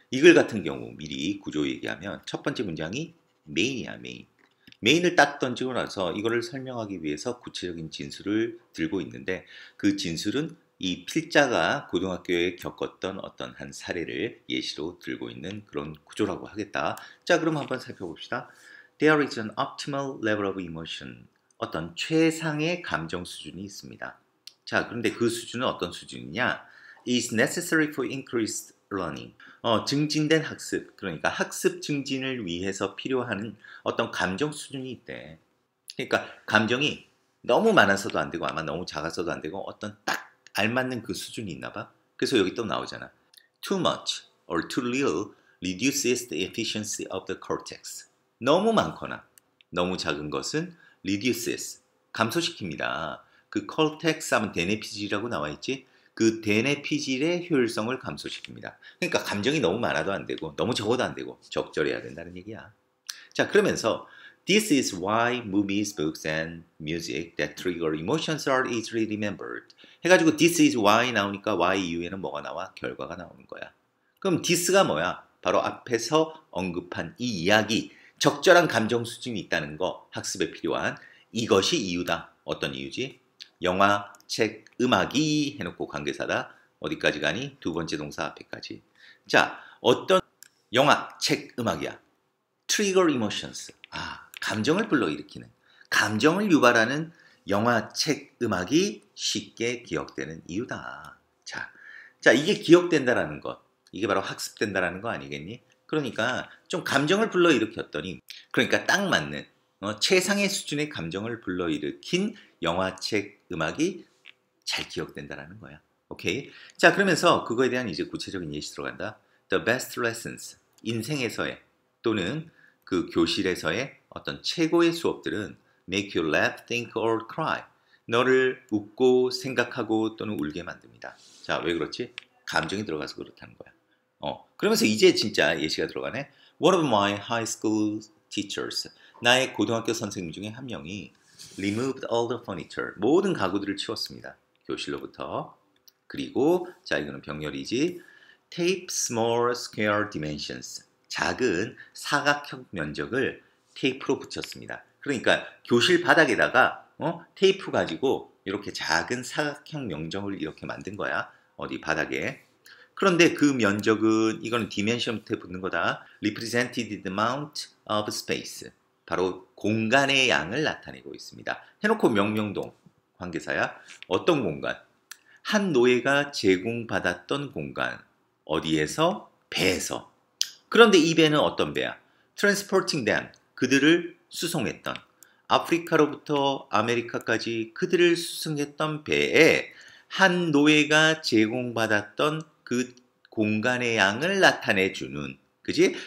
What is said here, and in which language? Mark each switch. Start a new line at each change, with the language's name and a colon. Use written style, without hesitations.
Korean: 이글 같은 경우 미리 구조 얘기하면 첫 번째 문장이 메인이야, 메인. 메인을 딱 던지고 나서 이거를 설명하기 위해서 구체적인 진술을 들고 있는데 그 진술은 이 필자가 고등학교에 겪었던 어떤 한 사례를 예시로 들고 있는 그런 구조라고 하겠다. 자, 그럼 한번 살펴봅시다.
English: There is an optimal level of emotion.
Korean: 어떤 최상의 감정 수준이 있습니다. 자, 그런데 그 수준은 어떤 수준이냐?
English: Is necessary for increased learning.
Korean: 증진된 학습, 그러니까 학습 증진을 위해서 필요한 어떤 감정 수준이 있대. 그러니까 감정이 너무 많아서도 안 되고 아마 너무 작아서도 안 되고 어떤 딱 알맞는 그 수준이 있나 봐. 그래서 여기 또 나오잖아.
English: Too much or too little reduces the efficiency of the cortex.
Korean: 너무 많거나 너무 작은 것은 reduces, 감소시킵니다. 그 cortex 하면 대뇌피질이라고 나와있지? 그 대뇌피질의 효율성을 감소시킵니다. 그러니까 감정이 너무 많아도 안 되고 너무 적어도 안 되고 적절해야 된다는 얘기야. 자, 그러면서
English: This is why movies, books, and music that trigger emotions are easily remembered.
Korean: 해가지고 this is why 나오니까 why 이후에는 뭐가 나와? 결과가 나오는 거야. 그럼 this가 뭐야? 바로 앞에서 언급한 이 이야기, 적절한 감정 수준이 있다는 거, 학습에 필요한 이것이 이유다. 어떤 이유지? 영화, 책, 음악이 해놓고 관계사다. 어디까지 가니? 두 번째 동사 앞에까지. 자, 어떤 영화, 책, 음악이야?
English: Trigger emotions.
Korean: 아, 감정을 불러일으키는, 감정을 유발하는 영화, 책, 음악이 쉽게 기억되는 이유다. 자, 자 이게 기억된다라는 것, 이게 바로 학습된다라는 거 아니겠니? 그러니까 좀 감정을 불러일으켰더니, 그러니까 딱 맞는 최상의 수준의 감정을 불러일으킨 영화, 책, 음악이 잘 기억된다라는 거야. 오케이? 자, 그러면서 그거에 대한 이제 구체적인 예시 들어간다.
English: The best lessons,
Korean: 인생에서의 또는 그 교실에서의 어떤 최고의 수업들은
English: make you laugh, think, or cry.
Korean: 너를 웃고 생각하고 또는 울게 만듭니다. 자, 왜 그렇지? 감정이 들어가서 그렇다는 거야. 그러면서 이제 진짜 예시가 들어가네.
English: One of my high school teachers.
Korean: 나의 고등학교 선생님 중에 한 명이
English: removed all the furniture.
Korean: 모든 가구들을 치웠습니다. 교실로부터. 그리고, 자, 이거는 병렬이지.
English: Tape small square dimensions.
Korean: 작은 사각형 면적을 테이프로 붙였습니다. 그러니까 교실 바닥에다가 테이프 가지고 이렇게 작은 사각형 면적을 이렇게 만든 거야. 어디 바닥에. 그런데 그 면적은 이거는 dimension부터 붙는 거다.
English: Represented the amount of space.
Korean: 바로 공간의 양을 나타내고 있습니다. 해놓고 명령동 관계사야. 어떤 공간? 한 노예가 제공받았던 공간. 어디에서? 배에서. 그런데 이 배는 어떤 배야?
English: Transporting them,
Korean: 그들을 수송했던 아프리카로부터 아메리카까지 그들을 수송했던 배에 한 노예가 제공받았던 그 공간의 양을 나타내주는 그지?